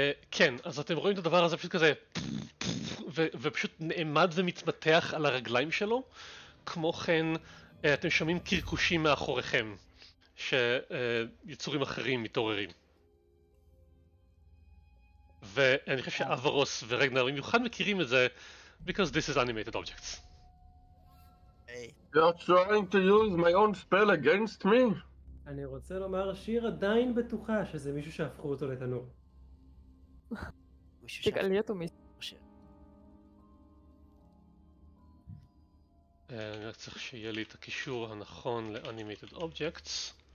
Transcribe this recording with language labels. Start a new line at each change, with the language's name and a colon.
Hebrew: כן, אז אתם רואים את הדבר הזה פשוט כזה ופשוט נעמד ומתמתח על הרגליים שלו. כמו כן, אתם שומעים קרקושים מאחוריכם שיצורים אחרים מתעוררים. ואני חושב שאברוס ורגנר במיוחד מכירים את זה
English: because this is animated objects. You're trying to use my own spell against me?
Hebrew: אני רוצה לומר שיר עדיין בטוחה שזה מישהו שהפכו אותו לתנור. תגלי אותו מישהו. אני רק צריך שיהיה לי את הקישור הנכון ל-Animated Objects.